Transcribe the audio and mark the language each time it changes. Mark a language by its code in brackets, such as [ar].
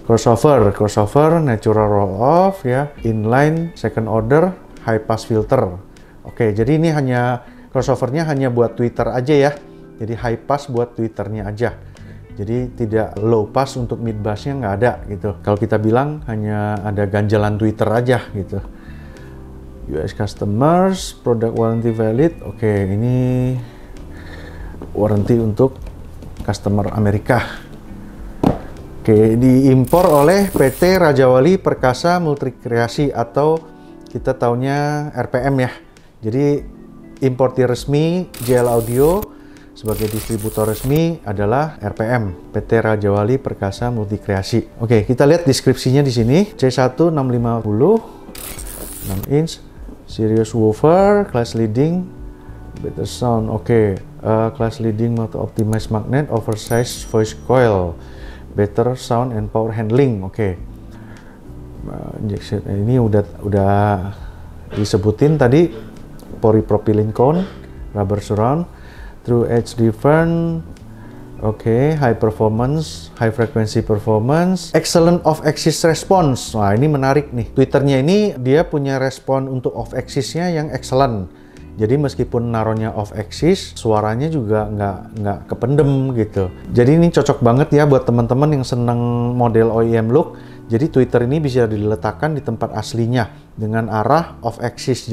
[en] Crossover natural roll off ya, inline second order high pass filter. [id] Oke, jadi ini hanya crossovernya hanya buat tweeter aja ya, jadi high pass buat tweeternya aja, jadi tidak low pass untuk mid bassnya nggak ada gitu. Kalau kita bilang hanya ada ganjalan tweeter aja gitu. [en] US customers, product warranty valid. [id] Oke, ini warranty untuk customer Amerika. Oke, diimpor oleh PT Rajawali Perkasa Multikreasi atau kita taunya RPM ya. Jadi importir resmi JL Audio sebagai distributor resmi adalah RPM, PT Rajawali Perkasa Multikreasi. Oke, kita lihat deskripsinya di sini. [en] C1 650, 6 inch Sirius woofer, class leading better sound. Oke. Class leading multi optimized magnet, oversized voice coil, better sound and power handling. Oke. Injection [id] ini udah disebutin tadi, [en] polypropylene cone, rubber surround, true edge different. Oke, high performance, high frequency performance, excellent off-axis response. [id] Wah, ini menarik nih. Tweeternya ini dia punya respon untuk off-axisnya yang excellent. Jadi meskipun naronya off axis, suaranya juga nggak kependem gitu. Jadi ini cocok banget ya buat teman-teman yang seneng model OEM look. Jadi tweeter ini bisa diletakkan di tempat aslinya dengan arah off axis.